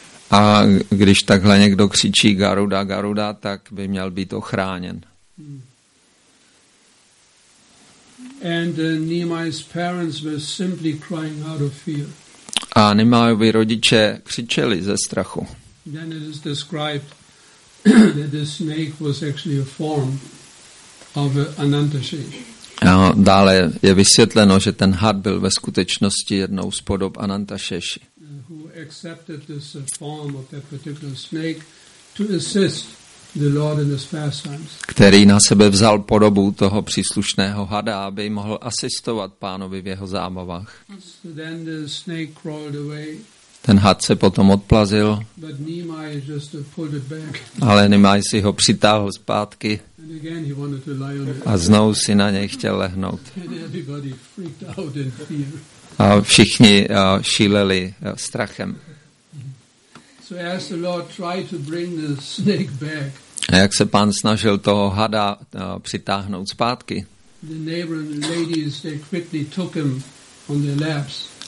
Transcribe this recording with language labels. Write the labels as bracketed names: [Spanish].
[Czech] A když takhle někdo křičí Garuda, Garuda, tak by měl být ochráněn. [English] And Nimai's parents were simply crying out of fear. [Czech] A Nimaiovi rodiče křičeli ze strachu. [English] Then it is described that the snake was actually a form of Anantasheshi. [Czech] A dále je vysvětleno, že ten had byl ve skutečnosti jednou z podob Anantasheshi. [English] Who accepted this form of that particular snake to assist the Lord in his pastimes. [Czech] Který na sebe vzal podobu toho příslušného hada, aby mohl asistovat pánovi v jeho zábavách. [English] So then the snake crawled away. [Czech] Ten had se potom odplazil, [English] but Nimai just pulled it back. [Czech] Ale Nimai si ho přitáhl zpátky. [English] And again he wanted to lie on it. [Czech] A znovu si na něj chtěl lehnout. [English] And everybody freaked out in fear. [Czech] A všichni šíleli strachem. [English] So as the Lord tried to bring the snake back, [Czech] a jak se pán snažil toho hada přitáhnout zpátky, [English] the neighboring ladies, they quickly took him on their laps.